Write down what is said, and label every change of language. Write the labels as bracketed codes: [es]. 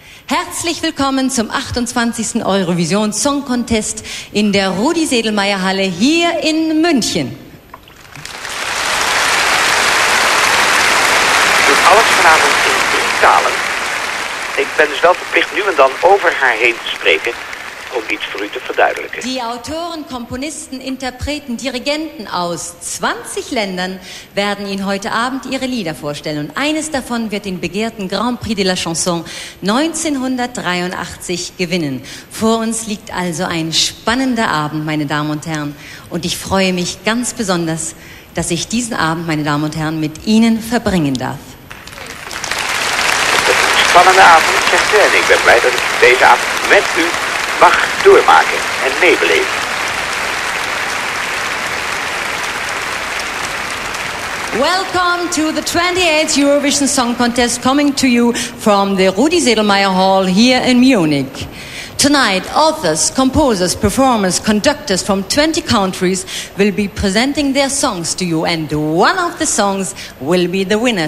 [de] Herzlich willkommen zum 28. Eurovision Song Contest in der Rudi-Sedlmayer-Halle hier in München. [nl] Doet alles vanavond in drie talen. Ik ben dus wel verplicht nu en dan over haar heen te spreken om iets voor u te verduidelijken. [de] Die autoren, componisten, interpreten, dirigenten aus 20 Ländern werden Ihnen heute Abend ihre Lieder vorstellen. Und eines davon wird den begehrten Grand Prix de la Chanson 1983 gewinnen. Vor uns liegt also ein spannender Abend, meine Damen und Herren. Und ich freue mich ganz besonders, dass ich diesen Abend, meine Damen und Herren, mit Ihnen verbringen darf. Spannende Abend, [nl] zegt ze. En ik ben blij dat ik deze avond met u mag doormaken en meebeleven. [en] Welcome to the 28th Eurovision Song Contest, coming to you from the Rudi-Sedlmayer-Hall here in Munich. Tonight, authors, composers, performers, conductors from 20 countries will be presenting their songs to you, and one of the songs will be the winner.